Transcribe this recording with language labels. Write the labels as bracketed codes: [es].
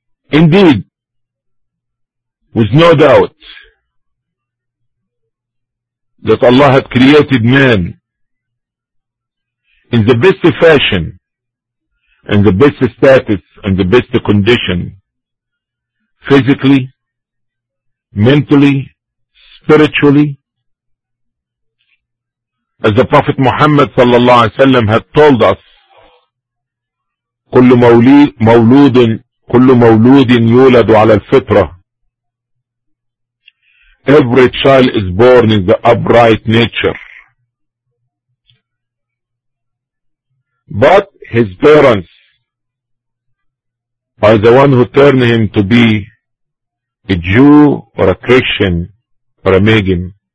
[en] Indeed, with no doubt, that Allah had created man in the best fashion, in the best status, and the best condition, physically, mentally, spiritually, as the Prophet Muhammad sallallahu alaihi wasallam had told us, [ar] كل مولود يولد على الفطرة. [en] Every child is born in the upright nature. But his parents are the one who turn him to be a Jew or a Christian or a pagan.